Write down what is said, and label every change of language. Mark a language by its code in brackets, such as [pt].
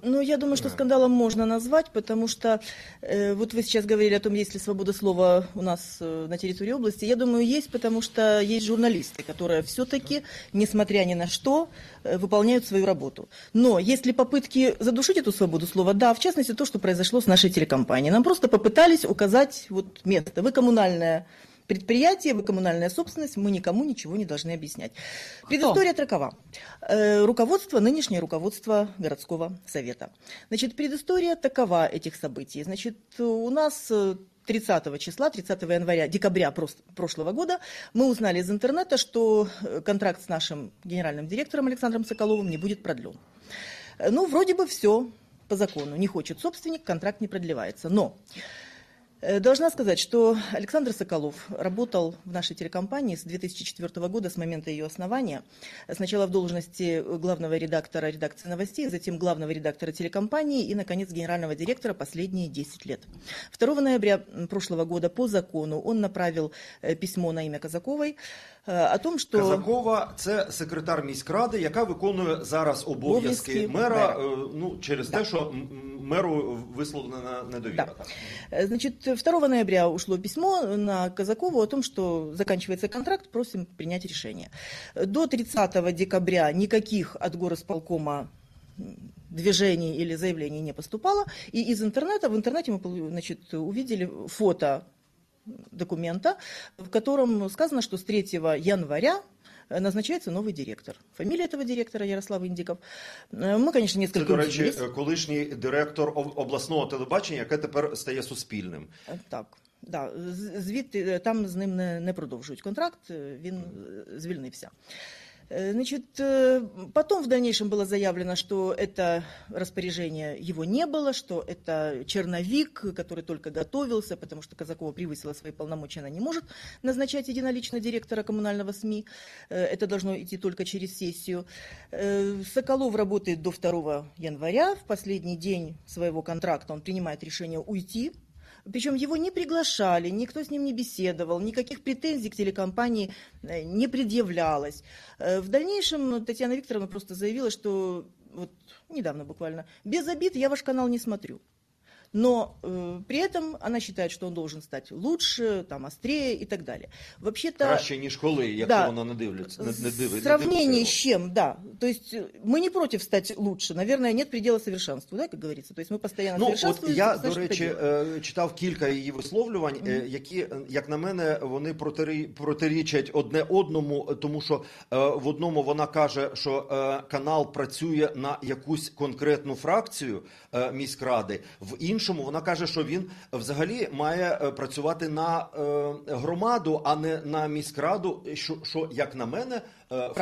[uk] Ну, я думаю, що скандалом можна назвати, потому що от ви зараз говорили о том, є ли свобода слова у нас на території області. Я думаю, є, потому що є журналісти, які все-таки, несмотря ні на що, виконують свою роботу. Но є ли попытки задушити ту свободу слова? Да, в частности, то, що произошло з нашою телекомпанією. Нам просто попытались указати місце. [ru] Ви комунальне предприятие, вы коммунальная собственность, мы никому ничего не должны объяснять. Кто? Предыстория такова. Руководство, нынешнее руководство городского совета. Значит, предыстория такова этих событий. Значит, у нас 30 января, декабря прошлого года, мы узнали из интернета, что контракт с нашим генеральным директором Александром Соколовым не будет продлен. Ну, вроде бы все по закону. Не хочет собственник, контракт не продлевается. Но должна сказать, что Александр Соколов работал в нашей телекомпании с 2004 года, с момента ее основания. Сначала в должности главного редактора редакции новостей, затем главного редактора телекомпании и, наконец, генерального директора последние 10 лет. 2 ноября прошлого года по закону он направил письмо на имя Казаковой о том, что... [uk] Казакова – это секретарь міськради, яка виконує зараз обов'язки мера. Через те, що меру висловлена недовіра. [ru] Значит, 2 ноября ушло письмо на Казакову о том, что заканчивается контракт, просим принять решение. До 30 декабря никаких от горосполкома движений или заявлений не поступало. И из интернета, в интернете мы, значит, увидели фото документа, в котором сказано, что с 3 января [uk] назначається новий директор. Фамілія цього директора — Ярослав Індіков. Ми, звісно, несколько... Це, до речі, колишній директор обласного телебачення, яке тепер стає суспільним. Так, да. Звідти там з ним не продовжують контракт, він звільнився. [ru] Значит, потом в дальнейшем было заявлено, что это распоряжение его не было, что это черновик, который только готовился, потому что Казакова превысила свои полномочия, она не может назначать единолично директора коммунального СМИ. Это должно идти только через сессию. Соколов работает до 2 января. В последний день своего контракта он принимает решение уйти. Причем его не приглашали, никто с ним не беседовал, никаких претензий к телекомпании не предъявлялось. В дальнейшем Татьяна Викторовна просто заявила, что вот недавно буквально: «Без обид, я ваш канал не смотрю». Но при этом она считает, что он должен стать лучше, там, острее и так далее. Вообще-то... Краще, не школы, если да, она не дивится. В сравнении с чем, да. То есть мы не против стать лучше. Наверное, нет предела совершенству, да, как говорится. То есть мы постоянно совершенствуемся. [uk] Я, до речи, читал кілька її висловлювань, які, як на мене, вони протирічать одне одному, тому що в одному вона каже, що канал працює на якусь конкретну фракцію міськради, в іншому вона каже, що він взагалі має працювати на громаду, а не на міськраду, що, як на мене, в